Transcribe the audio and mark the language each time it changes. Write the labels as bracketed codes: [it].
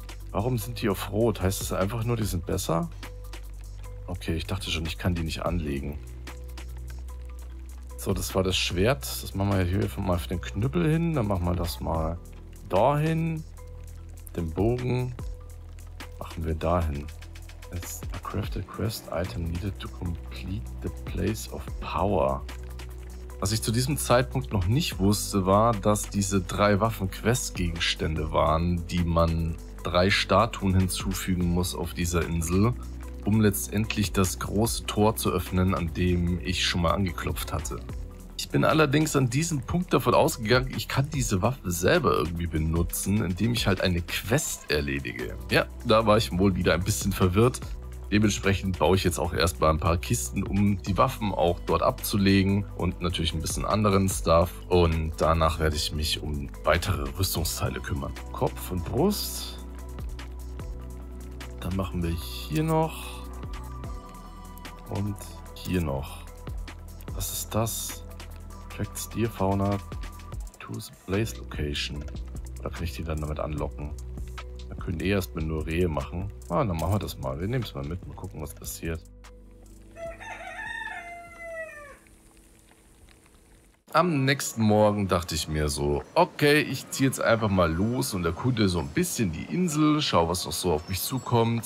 [de] Warum sind die auf Rot? Heißt das einfach nur, die sind besser? Okay, ich dachte schon, ich kann die nicht anlegen. So, das war das Schwert. Das machen wir hier einfach mal für den Knüppel hin. Dann machen wir das mal dahin. Den Bogen machen wir dahin. [en] It's a crafted quest item needed to complete the place of power. [de] Was ich zu diesem Zeitpunkt noch nicht wusste, war, dass diese drei Waffen Questgegenstände waren, die man drei Statuen hinzufügen muss auf dieser Insel, um letztendlich das große Tor zu öffnen, an dem ich schon mal angeklopft hatte. Ich bin allerdings an diesem Punkt davon ausgegangen, ich kann diese Waffe selber irgendwie benutzen, indem ich halt eine Quest erledige. Ja, da war ich wohl wieder ein bisschen verwirrt. Dementsprechend baue ich jetzt auch erstmal ein paar Kisten, um die Waffen auch dort abzulegen und natürlich ein bisschen anderen Stuff. Und danach werde ich mich um weitere Rüstungsteile kümmern. Kopf und Brust. Dann machen wir hier noch und hier noch. Was ist das? [en] Track Steer Fauna to the Place Location. [de] Da kann ich die dann damit anlocken. Da können die erstmal nur Rehe machen. Ah, dann machen wir das mal. Wir nehmen es mal mit und gucken, was passiert. Am nächsten Morgen dachte ich mir so, okay, ich ziehe jetzt einfach mal los und erkunde so ein bisschen die Insel, schau, was noch so auf mich zukommt.